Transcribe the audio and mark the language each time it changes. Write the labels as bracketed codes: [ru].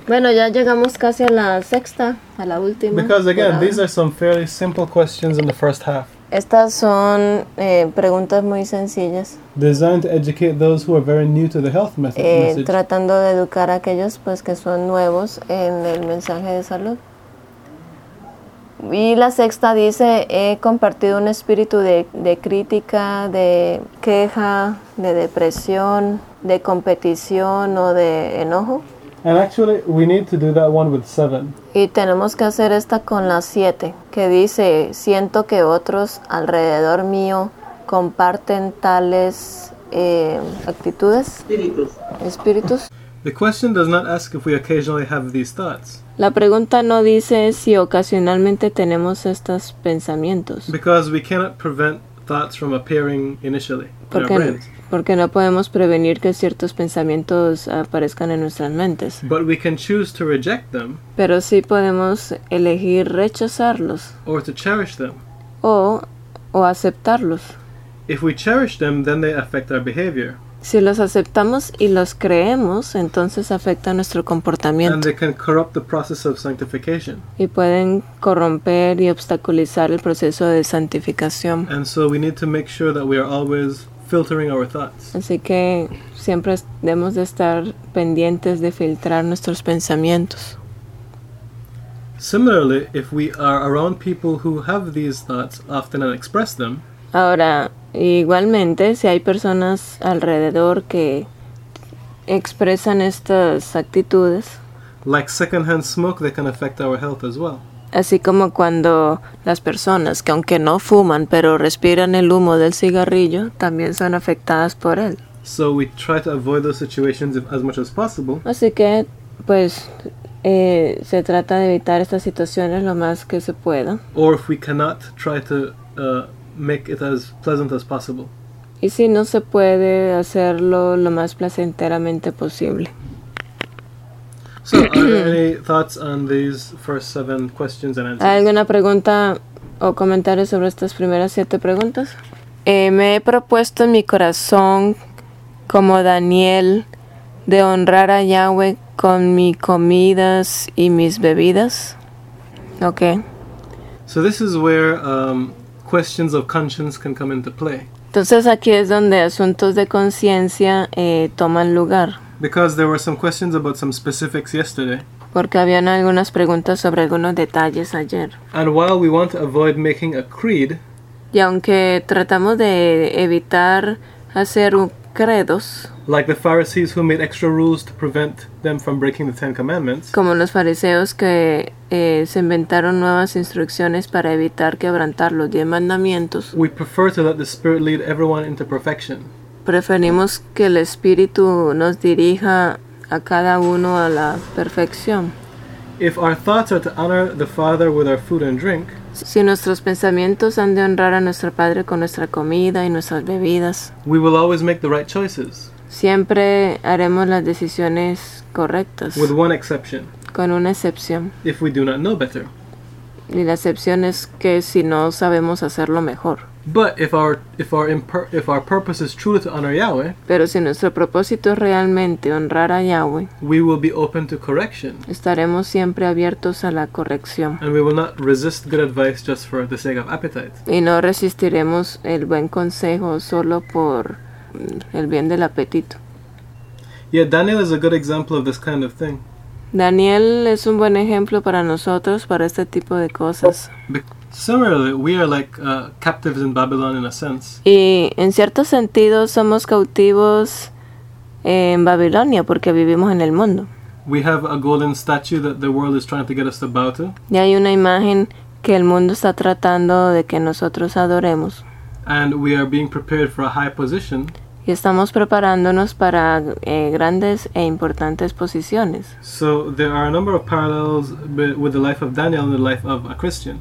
[es] Bueno, ya llegamos casi a la sexta, a la última. [en] Because again, these are some fairly simple questions in the first half. [es] Estas son preguntas muy sencillas. [en] Designed to educate those who are very new to the health message. [es] Tratando de educar a aquellos pues que son nuevos en el mensaje de salud. Y la sexta dice, he compartido un espíritu de crítica, de queja, de depresión, de competición o de enojo. [en] And actually, we need to do that one with seven. [es] Y tenemos que hacer esta con la siete, que dice, siento que otros alrededor mío comparten tales actitudes. Espíritus. Espíritus. [en] The question does not ask if we occasionally have these thoughts. [es] La pregunta no dice si ocasionalmente tenemos estos pensamientos. [en] Because we cannot prevent thoughts from appearing initially in our brains. [es] Porque no podemos prevenir que ciertos pensamientos aparezcan en nuestras mentes. [en] But we can choose to reject them. [es] Pero sí podemos elegir rechazarlos. [en] Or to cherish them. [es] O aceptarlos. [en] If we cherish them, then they affect our behavior. [es] Si los aceptamos y los creemos, entonces afecta nuestro comportamiento. [en] And they can corrupt the process of sanctification. [es] Y pueden corromper y obstaculizar el proceso de santificación. [en] And so we need to make sure that we are always filtering our thoughts. [es] Así que siempre debemos de estar pendientes de filtrar nuestros pensamientos. [en] Similarly, if we are around people who have these thoughts often and express them, [es] ahora, igualmente, si hay personas alrededor que expresan estas actitudes, [en] like secondhand smoke, they can affect our health as well. [es] Así como cuando las personas que aunque no fuman, pero respiran el humo del cigarrillo, también son afectadas por él. [en] So we try to avoid those situations as much as possible. [es] Así que, pues, se trata de evitar estas situaciones lo más que se pueda. [en] Or if we cannot try to make it as pleasant as possible. [es] Y si no se puede hacerlo lo más placenteramente posible. [en] So, are there any thoughts on these first 7 questions and answers? [es] ¿Hay alguna pregunta o comentario sobre estas primeras 7 preguntas? Me he propuesto en mi corazón, como Daniel, de honrar a Yahweh con mis comidas y mis bebidas. [en] Okay. So this is where questions of conscience can come into play. [es] Entonces aquí es donde asuntos de conciencia toman lugar. [en] Because there were some questions about some specifics yesterday. [es] Porque habían algunas preguntas sobre algunos detalles ayer. [en] And while we want to avoid making a creed, [es] y aunque tratamos de evitar hacer credos, [en] like the Pharisees who made extra rules to prevent them from breaking the Ten Commandments, [es] como los fariseos que se inventaron nuevas instrucciones para evitar quebrantar los 10 mandamientos, [en] we prefer to let the Spirit lead everyone into perfection. [es] Preferimos que el Espíritu nos dirija a cada uno a la perfección. [en] If our thoughts are to honor the Father with our food and drink, [es] si nuestros pensamientos han de honrar a nuestro Padre con nuestra comida y nuestras bebidas, [en] we will always make the right choices. [es] Siempre haremos las decisiones correctas. [en] With one exception. [es] Con una excepción. [en] If we do not know better. [es] Y la excepción es que si no sabemos hacerlo mejor. [en] But if our purpose is truly to honor Yahweh, [es] pero si nuestro propósito es realmente honrar a Yahweh, [en] we will be open to correction. [es] Estaremos siempre abiertos a la corrección. [en] And we will not resist good advice just for the sake of appetite. [es] Y no resistiremos el buen consejo solo por el bien del apetito. [en] Yeah, Daniel is a good example of this kind of thing. [es] Daniel es un buen ejemplo para nosotros para este tipo de cosas. [en] Similarly, we are like captives in Babylon in a sense. [es] Y en cierto sentido somos cautivos en Babilonia porque vivimos en el mundo. [en] We have a golden statue that the world is trying to get us to bow to. [es] Y hay una imagen que el mundo está tratando de que nosotros adoremos. [en] And we are being prepared for a high position. [es] Y estamos preparándonos para grandes e importantes posiciones. [en] So there are a number of parallels with the life of Daniel and the life of a Christian.